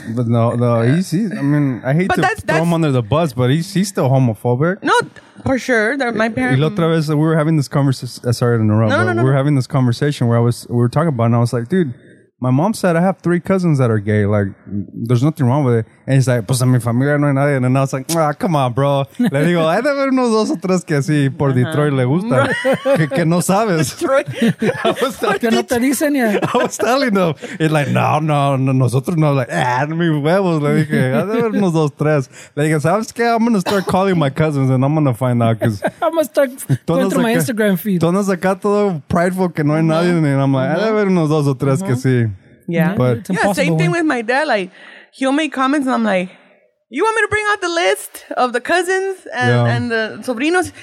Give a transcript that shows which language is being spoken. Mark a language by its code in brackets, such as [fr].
[en] I mean, I hate to throw him under the bus, but he's still homophobic. No, for sure. My parents... Y otra vez, we were having this conversation... Sorry to interrupt, we were having this conversation where we were talking about it, and I was like, dude, my mom said I have 3 cousins that are gay. Like, there's nothing wrong with it. And he's like, [es] pues a mi familia no hay nadie. [en] And I was like, ah, come on, bro. [es] Le digo, hay de haber unos dos o tres que así por Detroit le gusta. Que no sabes. Detroit. [en] I was telling him. He's like, [es] no, nosotros no. Like, mi huevos. Le dije, hay de haber unos dos o tres. Le dije, sabes que [en] I'm going to start calling my cousins and I'm going to find out. Cause I'm going to start going through my Instagram feed. [es] Todos acá todo prideful que no hay nadie. [en] And I'm like, [es] hay de haber unos dos o tres que así. [en] Yeah, but yeah, same thing with my dad. Like, he'll make comments, and I'm like, you want me to bring out the list of the cousins and the sobrinos?